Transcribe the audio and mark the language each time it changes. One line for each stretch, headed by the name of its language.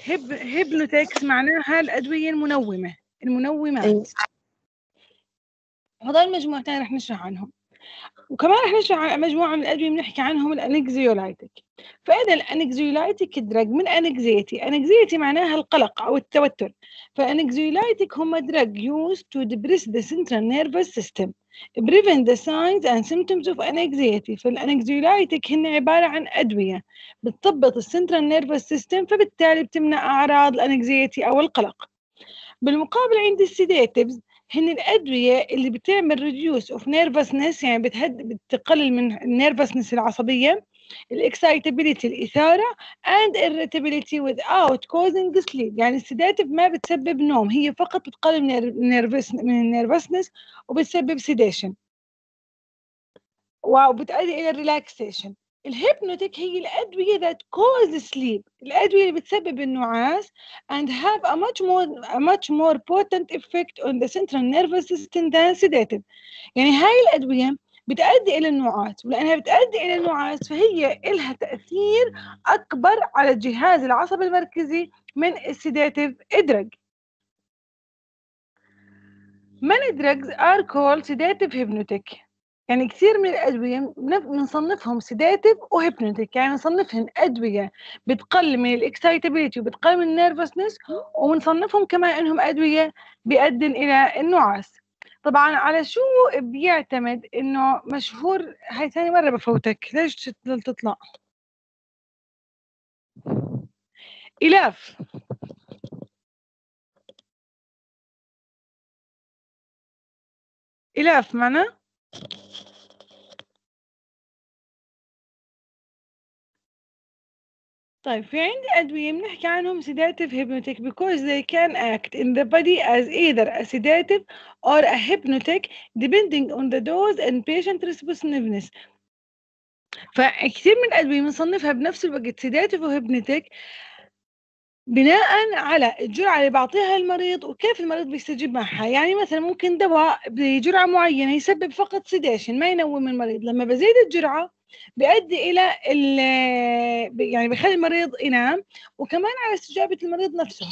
Arabic: هيبنوتكس معناها الادوية المنومة، المنومات. هذول مجموعتين رح نشرح عنهم، وكمان رح نشرح عن مجموعة من الادوية بنحكي عنهم الانكزيولايتك. فاذا الانكزيولايتك درج من انكزيتي، انكزيتي معناها القلق او التوتر. فانكزيولايتك هم درج
English: used to depress the central nervous system prevent the signs and symptoms of anxiety.
Arabic: فالانكزيولايتك هن عبارة عن أدوية بتضبط السنترال نيرفوس سيستم، فبالتالي بتمنع أعراض الانكزيتي أو القلق. بالمقابل عند السيداتيفز هن الأدوية اللي بتعمل
English: reduce of nervousness،
Arabic: يعني بتقلل من النيرفوسنس العصبية، الإكسايتابيليتي الإثارة
English: and irritability without causing sleep.
Arabic: يعني السيداتيف ما بتسبب نوم، هي فقط بتقلل من النيرفسنس وبتسبب سيداشن وبتؤدي إلى الريلاكسيشن. الهيبنوتيك هي الأدوية
English: that cause sleep،
Arabic: الأدوية اللي بتسبب النعاس
English: and have a much more potent effect on the central nervous system than sedative.
Arabic: يعني هاي الأدوية بتأدي إلى النعاس، ولأنها بتأدي إلى النعاس فهي إلها تأثير أكبر على الجهاز العصبي المركزي من السيداتيف إدراج.
English: Many drugs are called sedative hypnotic.
Arabic: يعني كثير من الأدوية بنصنفهم سيداتيف وهيبنوتيك، يعني بنصنفهم أدوية بتقلل من الإكسايتابيليتي وبتقلل من النيرفسنس، وبنصنفهم كمان إنهم أدوية بيؤدن إلى النعاس. طبعا على شو بيعتمد انه مشهور؟ هاي ثاني مره بفوتك، ليش تطلع إلاف؟ إلاف معنا طيب. في عندي أدوية بنحكي عنهم
English: sedative hypnotic because they can act in the body as either a sedative or a hypnotic depending on the dose and patient responsiveness.
Arabic: فكثير من الأدوية بنصنفها بنفس الوقت sedative وhypnotic بناء على الجرعة اللي بعطيها المريض وكيف المريض بيستجيب معها. يعني مثلا ممكن دواء بجرعة معينة يسبب فقط sedation ما ينوم المريض، لما بزيد الجرعة بيؤدي الى يعني بيخلي المريض ينام، وكمان على استجابه المريض نفسه.